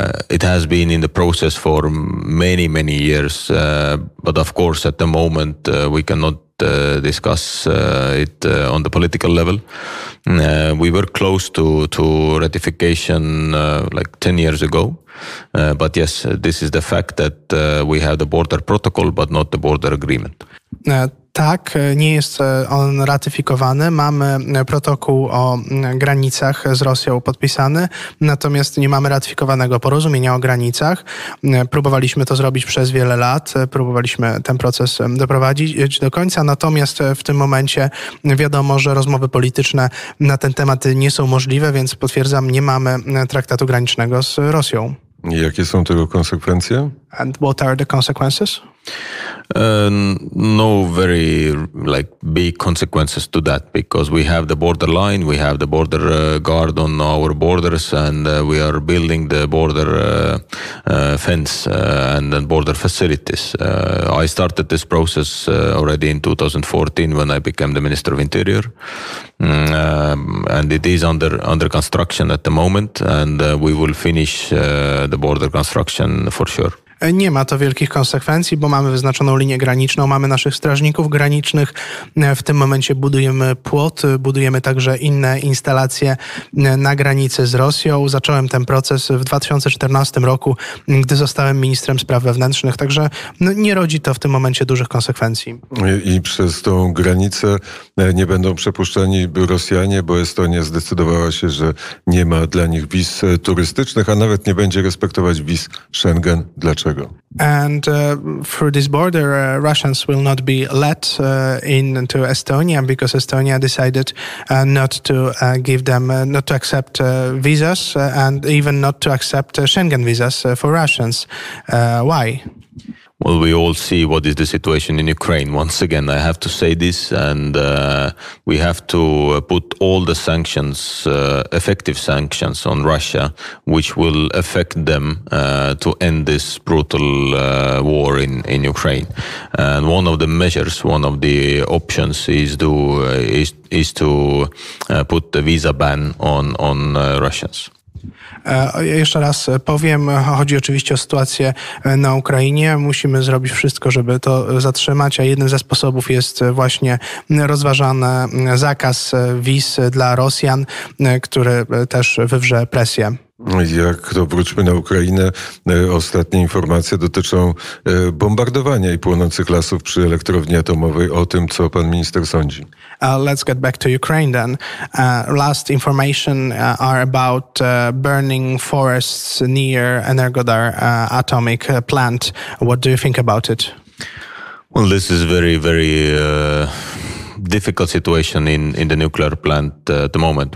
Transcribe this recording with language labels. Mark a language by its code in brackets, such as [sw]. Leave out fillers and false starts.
[en] It has been in the process for many, many years, but of course at the moment we cannot discuss it on the political level. We were close to ratification like 10 years ago, but yes, this is the fact that we have the border protocol, but not the border agreement. [pl] Tak, nie jest on ratyfikowany. Mamy protokół o granicach z Rosją podpisany, natomiast nie mamy ratyfikowanego porozumienia o granicach. Próbowaliśmy to zrobić przez wiele lat, próbowaliśmy ten proces doprowadzić do końca, natomiast w tym momencie wiadomo, że rozmowy polityczne na ten temat nie są możliwe, więc potwierdzam, nie mamy traktatu granicznego z Rosją. Jakie są tego konsekwencje? [en] And what are the consequences? No very like big consequences to that, because we have the border line, we have the border guard on our borders, and we are building the border fence and then border facilities. I started this process already in 2014 when I became the Minister of Interior, and it is under construction at the moment, and we will finish the border construction for sure. [pl] Nie ma to wielkich konsekwencji, bo mamy wyznaczoną linię graniczną, mamy naszych strażników granicznych. W tym momencie budujemy płot, budujemy także inne instalacje na granicy z Rosją. Zacząłem ten proces w 2014 roku, gdy zostałem ministrem spraw wewnętrznych, także nie rodzi to w tym momencie dużych konsekwencji. I przez tą granicę nie będą przepuszczani Rosjanie, bo Estonia zdecydowała się, że nie ma dla nich wiz turystycznych, a nawet nie będzie respektować wiz Schengen. Dla [en] And through this border, Russians will not be let into Estonia because Estonia decided not to give them, not to accept visas and even not to accept Schengen visas for Russians. Why? Well, we all see what is the situation in Ukraine. Once again, I have to say this, and we have to put all the sanctions, effective sanctions on Russia, which will affect them to end this brutal war in Ukraine. And one of the measures, one of the options is to put the visa ban on Russians. [pl] Jeszcze raz powiem, chodzi oczywiście o sytuację na Ukrainie. Musimy zrobić wszystko, żeby to zatrzymać, a jednym ze sposobów jest właśnie rozważany zakaz wiz dla Rosjan, który też wywrze presję. Jak to wróćmy na Ukrainę, ostatnie informacje dotyczą bombardowania i płonących lasów przy elektrowni atomowej. O tym, co pan minister sądzi. [en] Let's get back to Ukraine then. Last information are about burning forests near Energodar atomic plant. What do you think about it? Well, this is very, very difficult situation in the nuclear plant at the moment.